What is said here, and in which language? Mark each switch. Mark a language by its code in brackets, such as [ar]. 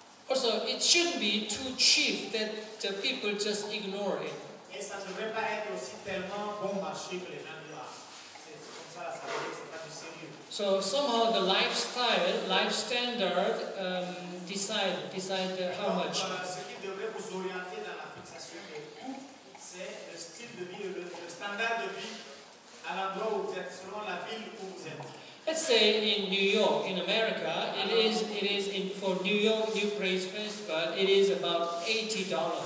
[en] Also, it shouldn't be too cheap that the people just ignore it. [fr] Et ça ne devrait pas être aussi tellement bon marché que les gens disent, c'est comme ça, ça veut dire, c'est pas du sérieux. [en] So somehow the lifestyle, life standard decide how much. [fr] Ce qui devrait vous orienter dans la fixation des coûts, c'est le style de vie, le standard de vie à l'endroit où vous êtes, selon la ville où vous êtes. [en] Let's say in New York, in America, it is for New York New Praise Fest, but it is about $80.